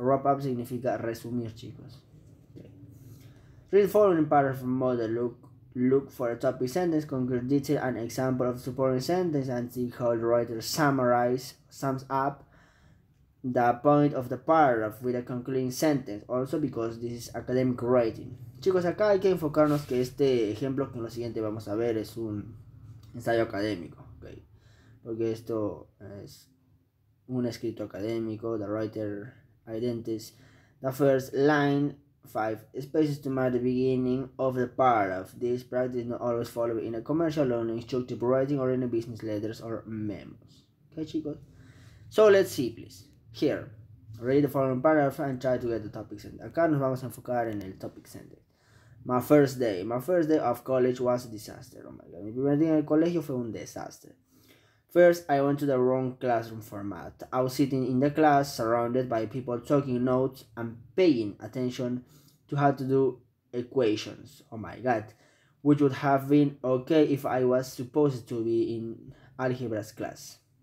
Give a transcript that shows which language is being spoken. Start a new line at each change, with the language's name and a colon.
English: Wrap up
Spanish: significa resumir, chicos.
English: Okay. Read the following paragraph model. Look for a topic sentence, concrete detail, and example of supporting sentence, and see how the writer sums up the point of the paragraph with a concluding sentence. Also, because this is academic writing.
Spanish: Chicos, acá hay que enfocarnos que este ejemplo que lo siguiente vamos a ver es un ensayo académico, okay. Porque esto es un escrito académico.
English: The writer identifies the first line 5. Spaces to mark the beginning of the paragraph. This practice is not always followed in a commercial or instructive writing or in a business letters or memos. Okay, chicos? So let's see, please. Here, read the following paragraph and try to get the topic sentence.
Spanish: Acá nos vamos a enfocar en el topic sentence.
English: My first day of college was a disaster. Oh my god,
Spanish: mi primer día en el colegio fue un desastre.
English: First, I went to the wrong classroom format. I was sitting in the class surrounded by people taking notes and paying attention to how to do equations. Oh my god, which would have been okay if I was supposed to be in algebra's class.